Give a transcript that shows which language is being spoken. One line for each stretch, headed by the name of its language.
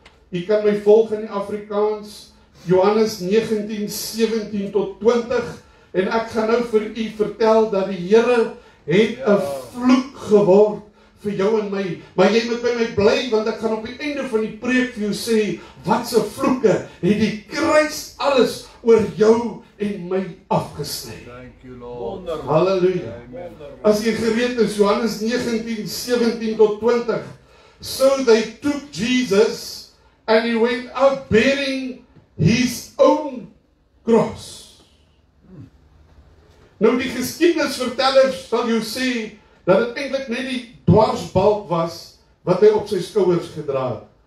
Afrikaans: U kan my volg in die Afrikaans Johannes 19, 17 tot 20 en ek gaan nou vir u vertel dat die Here het een vloek geword vir jou en my. Maar jy moet by my bly want ek gaan op die einde van die preek vir jou sê wat se vloeke het die kruis alles oor jou en my afgesny.
English: Thank you Lord.
Afrikaans: Halleluja. As jy gereed is,
English: Johannes 19, 17 tot 20, so they took Jesus and he went out bearing his own cross.
Afrikaans: Nou die geskiedenisvertellers sal jou sê, dat het eintlik net die dwarsbalk was, wat hy op sy skouers gedra het.